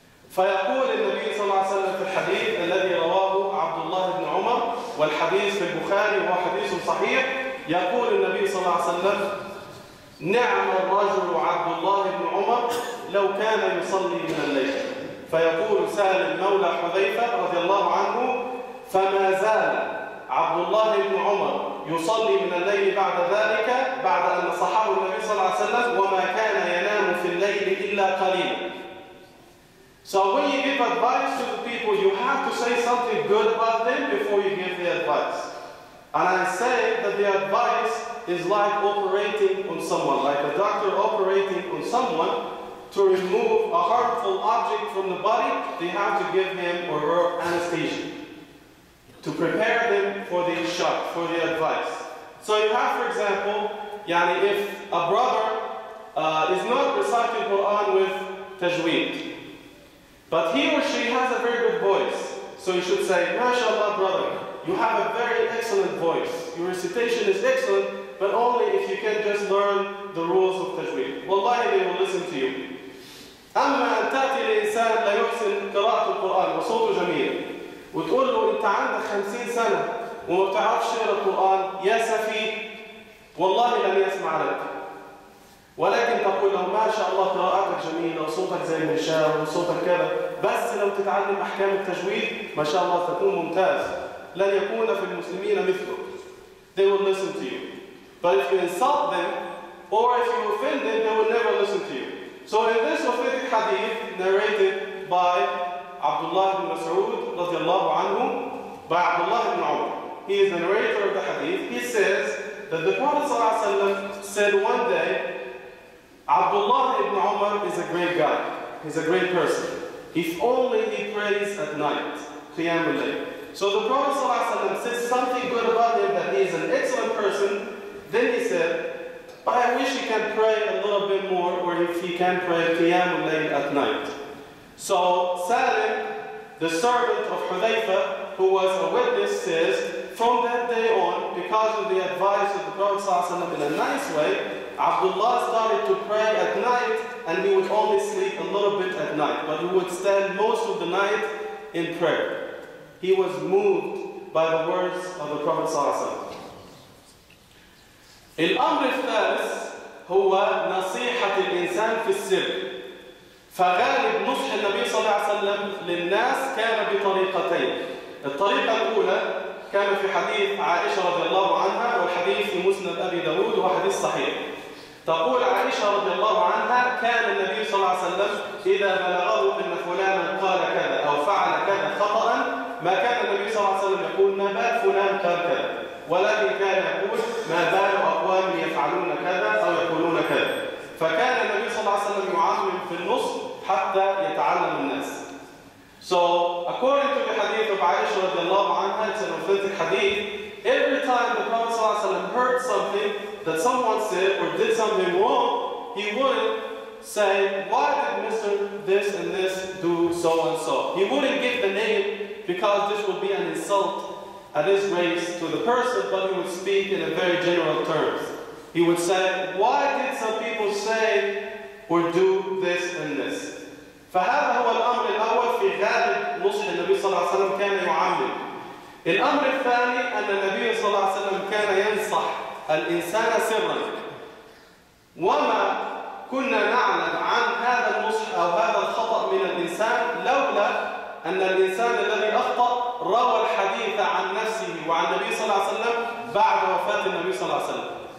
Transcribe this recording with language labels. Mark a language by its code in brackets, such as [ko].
[ar] فيقول النبي صلى الله عليه وسلم في الحديث الذي رواه عبد الله بن عمر والحديث في البخاري هو حديث صحيح، يقول النبي صلى الله عليه وسلم: نعم الرجل عبد الله بن عمر لو كان يصلي من الليل. فيقول سالم مولى حذيفة رضي الله عنه: فما زال عبد الله بن عمر يصلي من الليل بعد ذلك بعد أن نصحه النبي صلى الله عليه وسلم وما كان ينام في الليل إلا قليلا. [en] So when you give advice to the people, you have to say something good about them before you give the advice. And I say that the advice is like operating on someone, like a doctor operating on someone to remove a harmful object from the body, they have to give him or her anesthesia to prepare them for the shock, for the advice. So you have, for example, يعني if a brother is not reciting Quran with tajweed, but he or she has a very good voice. So you should say, MashaAllah, brother, you have a very excellent voice. Your recitation is excellent, but only if you can just learn the rules of tajweed. Wallahi, they will listen to you. [ar] أما أن تأتي لإنسان لا يحسن قراءة القرآن وصوته جميل وتقول له أنت عندك 50 سنة وما بتعرفش تقرأ القرآن يا سفي، والله لن يسمع لك. ولكن تقول له ما شاء الله قراءتك جميلة وصوتك زي المشاور وصوتك كذا، بس لو تتعلم أحكام التجويد ما شاء الله ستكون ممتاز، لن يكون في المسلمين مثلك. [en] They will listen to you. But if you insult them or if you offend them, they will never listen to you. So in this authentic hadith narrated by عبد الله بن مسعود [ar] رضي الله عنه [en] by عبد الله بن عمر. He is the narrator of the hadith. He says that the Prophet [ar] صلى الله عليه وسلم [en] said one day, Abdullah ibn Umar is a great guy. He's a great person. If only he prays at night, Qiyam al-Layl. So the Prophet ﷺ says something good about him, that he is an excellent person. Then he said, but I wish he can pray a little bit more, or if he can pray Qiyam al-Layl at night. So Salim, the servant of Hudhayfa, who was a witness, says, from that day on, because of the advice of the Prophet ﷺ in a nice way, Abdullah started to pray at night and he would only sleep a little bit at night, but he would stand most of the night in prayer. He was moved by the words of the Prophet [ar] صلى الله عليه وسلم. الأمر الثالث هو نصيحة الإنسان في السر. فغالب نصح النبي صلى الله عليه وسلم للناس كان بطريقتين. الطريقة الأولى كان في حديث عائشة رضي الله عنها، والحديث في مسند أبي داود وهو حديث صحيح. تقول عائشة رضي الله عنها: كان النبي صلى الله عليه وسلم إذا بلغه أن فلانا قال كذا أو فعل كذا خطأ، ما كان النبي صلى الله عليه وسلم يقول: ما بال فلان قال كذا، ولكن كان يقول: ما بال أقوام يفعلون كذا أو يقولون كذا. فكان النبي صلى الله عليه وسلم يعامل في النص حتى يتعلم الناس. [en] So according to the hadith of Aisha [ar] رضي الله عنها, [en] it's an authentic hadith. Every time the Prophet [ar] صلى الله عليه وسلم [en] heard something that someone said or did something wrong, he wouldn't say, why did Mr. this and this do so and so? He wouldn't give the name because this would be an insult at his race to the person, but he would speak in a very general terms. He would say, why did some people say or do this and this? [ar] فهذا هو الأمر الأول في غالب نصح النبي صلى الله عليه وسلم كان يعامل. الأمر الثاني أن النبي صلى الله عليه وسلم كان ينصح الإنسان سرا. وما كنا نعلم عن هذا النصح أو هذا الخطأ من الإنسان لولا أن الإنسان الذي أخطأ روى الحديث عن نفسه وعن النبي صلى الله عليه وسلم بعد وفاة النبي صلى الله عليه وسلم.